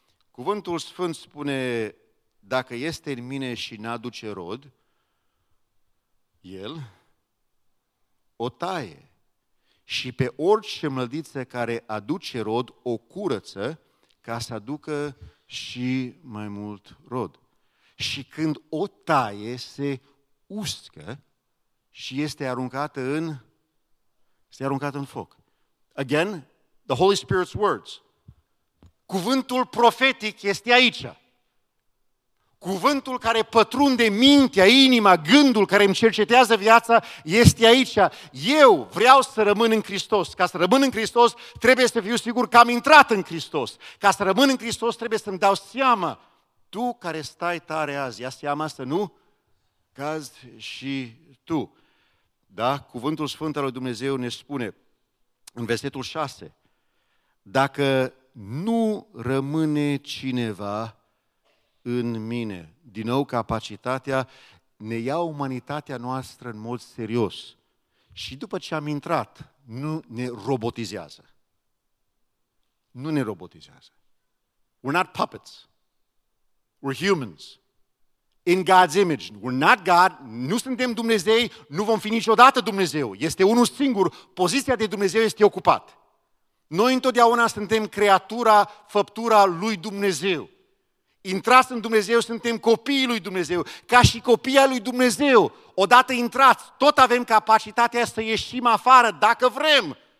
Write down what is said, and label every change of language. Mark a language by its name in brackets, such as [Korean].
[Romanian] Cuvântul Sfânt spune, dacă este în mine și n-aduce rod, el o taie și pe orice mlădiță care aduce rod, o curăță ca să aducă și mai mult rod. Și când o taie, se uscă și este aruncată în, este aruncată în foc. [English] Again, the Holy Spirit's words. [Romanian] Cuvântul profetic este aici. Cuvântul care pătrunde mintea, inima, gândul, care îmi cercetează viața, este aici. Eu vreau să rămân în Hristos. Ca să rămân în Hristos, trebuie să fiu sigur că am intrat în Hristos. Ca să rămân în Hristos, trebuie să-mi dau seama. Tu care stai tare azi, ia seama să nu cazi și tu. Da? Cuvântul Sfânt al lui Dumnezeu ne spune în versetul 6, dacă nu rămâne cineva în mine, din nou capacitatea, ne ia umanitatea noastră în mod serios și după ce am intrat, nu ne robotizează. Nu ne robotizează. [English] We're not puppets. We're humans, in God's image. We're not God, [Romanian] nu suntem Dumnezei, nu vom fi niciodată Dumnezeu. Este unul singur, poziția de Dumnezeu este ocupat. Noi întotdeauna suntem creatura, făptura lui Dumnezeu. Intrați în Dumnezeu, suntem copiii lui Dumnezeu. Ca și copiii lui Dumnezeu, odată intrați, tot avem capacitatea să ieșim afară, dacă vrem.